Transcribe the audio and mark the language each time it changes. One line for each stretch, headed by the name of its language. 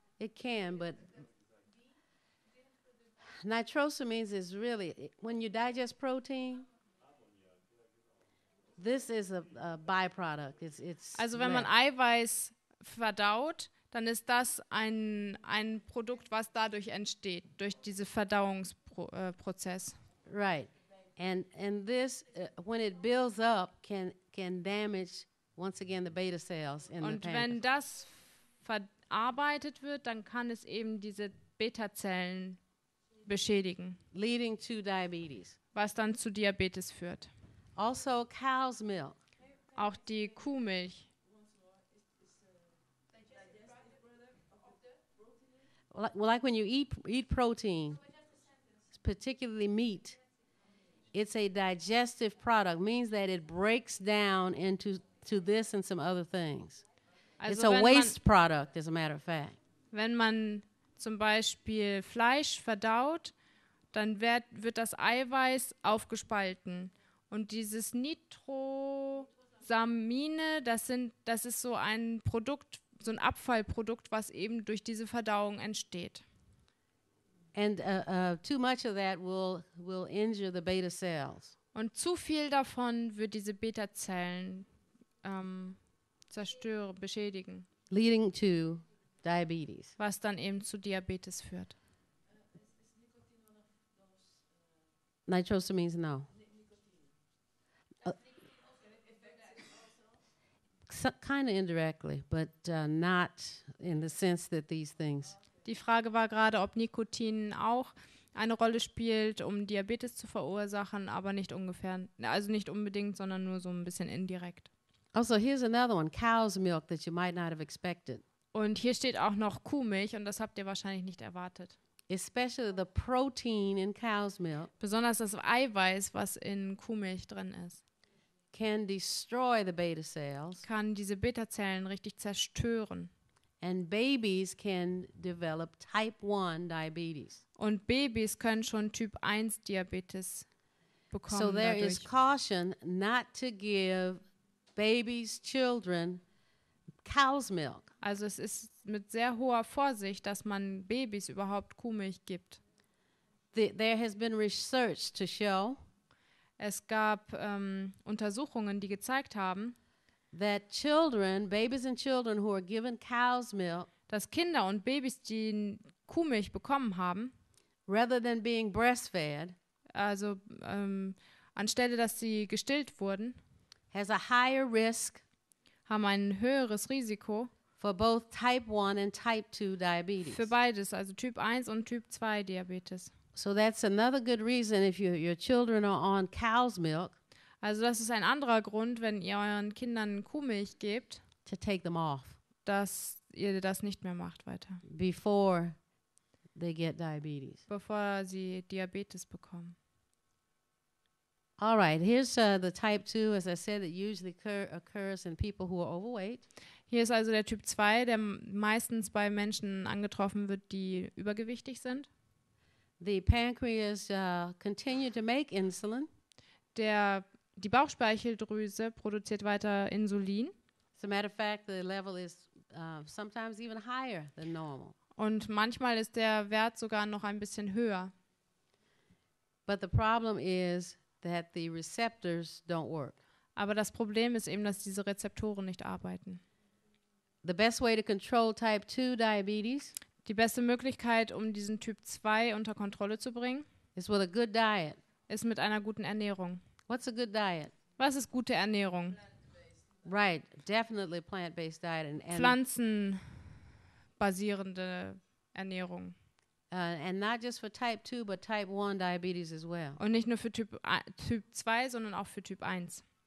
English: It can, but nitrosamines is really, when you digest protein, this is a byproduct. It's
German: also wenn man Eiweiß verdaut, dann ist das ein Produkt, was dadurch entsteht, durch diesen Verdauungsprozess.
English: Right. And this when it builds up can damage once again the beta cells in
German: und
English: the pancreas.
German: Und wenn das verarbeitet wird, dann kann es eben diese Beta-Zellen beschädigen.
English: Leading to diabetes.
German: Was dann zu Diabetes führt.
English: Also cow's milk.
German: Auch die Kuhmilch.
English: Like when you eat protein, particularly meat, it's a digestive product. Means that it breaks down into this and some other things. Also it's a waste product, as a matter of fact.
German: Wenn man zum Beispiel Fleisch verdaut, dann wird das Eiweiß aufgespalten. Und dieses Nitrosamine, das ist so ein Produkt, so ein Abfallprodukt, was eben durch diese Verdauung entsteht.
English: And too much of that will injure the beta cells.
German: Und zu viel davon wird diese Beta-Zellen zerstören, beschädigen.
English: Leading to diabetes.
German: Was dann eben zu Diabetes führt.
English: Nitrosamines, no. Kind of indirectly, but not in the sense that these things.
German: Die Frage war gerade, ob Nikotin auch eine Rolle spielt, um Diabetes zu verursachen, aber nicht ungefähr, also nicht unbedingt, sondern nur so ein bisschen indirekt.
English: Also here's another one, cow's milk that you might not have expected.
German: Und hier steht auch noch Kuhmilch und das habt ihr wahrscheinlich nicht erwartet.
English: Especially the protein in cow's milk.
German: Besonders das Eiweiß, was in Kuhmilch drin ist.
English: Can destroy the beta cells.
German: Kann diese Beta-Zellen richtig zerstören.
English: And babies can develop type 1 diabetes.
German: Und Babys können schon Typ 1 Diabetes bekommen.
English: So there
German: dadurch.
English: Is caution not to give babies, children cow's milk.
German: Also es ist mit sehr hoher Vorsicht, dass man Babys überhaupt Kuhmilch gibt.
English: There has been research to show.
German: Es gab Untersuchungen, die gezeigt haben,
English: that children, babies and children who are given cow's milk,
German: dass Kinder und Babys, die Kuhmilch bekommen haben,
English: rather than being breastfed,
German: also anstelle, dass sie gestillt wurden,
English: has a higher risk,
German: haben ein höheres Risiko
English: for both type 1 and type 2 diabetes.
German: Für beides, also Typ 1 und Typ 2 Diabetes.
English: So that's another good reason if your children are on cow's milk.
German: Also das ist ein anderer Grund, wenn ihr euren Kindern Kuhmilch gebt,
English: to take them off.
German: Dass ihr das nicht mehr macht weiter.
English: Before they get diabetes.
German: Bevor sie Diabetes bekommen.
English: All right, here's the type 2, as I said, that usually occurs in people who are overweight.
German: Hier ist also der Typ 2, der meistens bei Menschen angetroffen wird, die übergewichtig sind.
English: The pancreas continue to make insulin.
German: Die Bauchspeicheldrüse produziert weiter Insulin.
English: As a matter of fact, the level is sometimes even higher than normal.
German: Und manchmal ist der Wert sogar noch ein bisschen höher.
English: But the problem is that the receptors don't work.
German: Aber das Problem ist eben, dass diese Rezeptoren nicht arbeiten.
English: The best way to control type 2 diabetes.
German: Die beste Möglichkeit, um diesen Typ 2 unter Kontrolle zu bringen,
English: is with a good diet.
German: Ist mit einer guten Ernährung.
English: What's a good diet?
German: Was ist gute Ernährung?
English: Plant-based. Right, definitely plant-based diet and
German: pflanzenbasierende Ernährung.
English: And not just for type 2, but type 1 diabetes as well.
German: Und nicht nur für Typ 2, sondern auch für Typ 1.